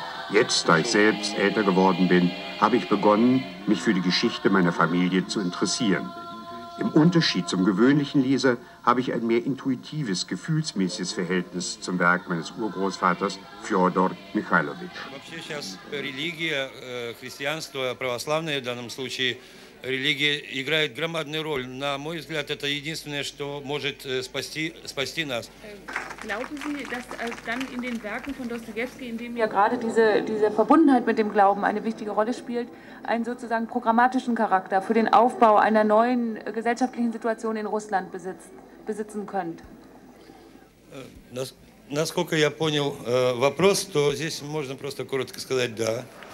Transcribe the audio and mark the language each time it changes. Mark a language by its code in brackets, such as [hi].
[de] Jetzt, da ich selbst älter geworden bin, habe ich begonnen, mich für die Geschichte meiner Familie zu interessieren. Im Unterschied zum gewöhnlichen Leser habe ich ein mehr intuitives, gefühlsmäßiges Verhältnis zum Werk meines Urgroßvaters Fjodor Michailowitsch. [ru] Религия играет громадную роль. На мой взгляд, это единственное, что может спасти нас. [de] Glauben Sie, dass dann in den Werken von Dostojewski, in dem ja gerade diese Verbundenheit mit dem Glauben eine wichtige Rolle spielt, einen sozusagen programmatischen Charakter für den Aufbau einer neuen gesellschaftlichen Situation in Russland besitzen könnt? [ru] Насколько я понял вопрос, то здесь можно просто коротко сказать «да».